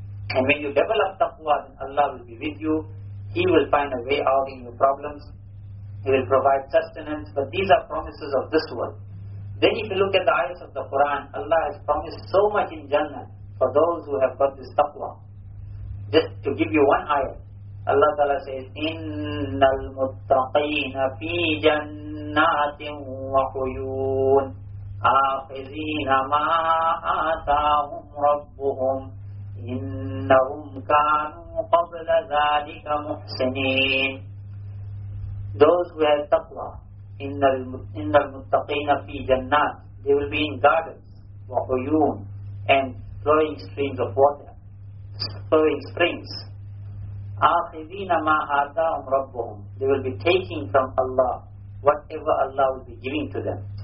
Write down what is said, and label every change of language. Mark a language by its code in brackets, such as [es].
[en] And when you develop taqwa, then Allah will be with you. He will find a way out in your problems. He will provide sustenance. But these are promises of this world. Then if you look at the ayahs of the Quran, Allah has promised so much in Jannah for those who have got this taqwa. Just to give you one ayah, Allah Ta'ala says, [ar] إِنَّ الْمُتَّقِينَ فِي جَنَّاتٍ وَحُيُونَ آخِذِينَ مَا آتَاهُمْ رَبُّهُمْ إِنَّهُمْ كَانُوا قَبْلَ ذَلِكَ مُحْسِنِينَ. [en] Those who have taqwa, [ar] إِنَّ الْمُتَّقِينَ فِي جَنَّاتٍ, [en] they will be in gardens, [ar] وَحُيُونَ, [en] and flowing streams of water, flowing springs. [ar] آخِذِينَ مَا آتَاهُمْ رَبُّهُمْ, [en] they will be taking from Allah whatever Allah will be giving to them.